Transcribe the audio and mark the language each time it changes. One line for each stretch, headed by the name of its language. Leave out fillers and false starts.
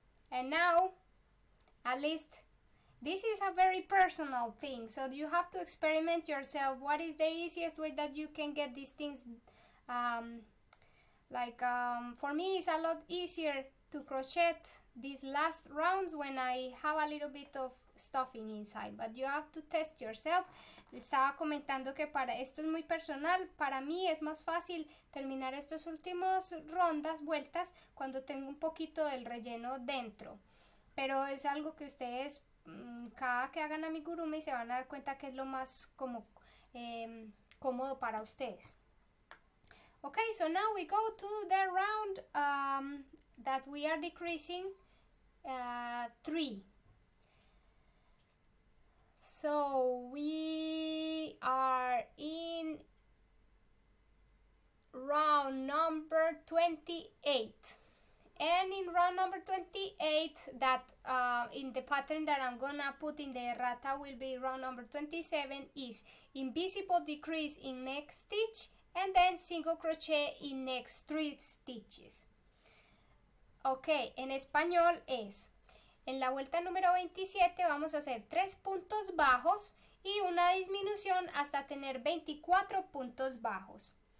English: And now, at least, this is a very personal thing. So you have to experiment yourself. What is the easiest way that you can get these things? For me, it's a lot easier to crochet these last rounds when I have a little bit of stuffing inside. But you have to test yourself.
Spanish: Estaba comentando que para esto es muy personal. Para mí es más fácil terminar estas últimas rondas, vueltas, cuando tengo un poquito del relleno dentro. Pero es algo que ustedes, cada que hagan amigurumi, se van a dar cuenta que es lo más como cómodo para ustedes.
English: Okay, so now we go to the round that we are decreasing, 3. So we are in round number 28. And in round number 28, that in the pattern that I'm gonna put in the errata will be round number 27, is invisible decrease in next stitch, and then single crochet in next 3 stitches.
Spanish: Ok, en español es, en la vuelta número 27 vamos a hacer 3 puntos bajos y una disminución hasta tener 24 puntos bajos.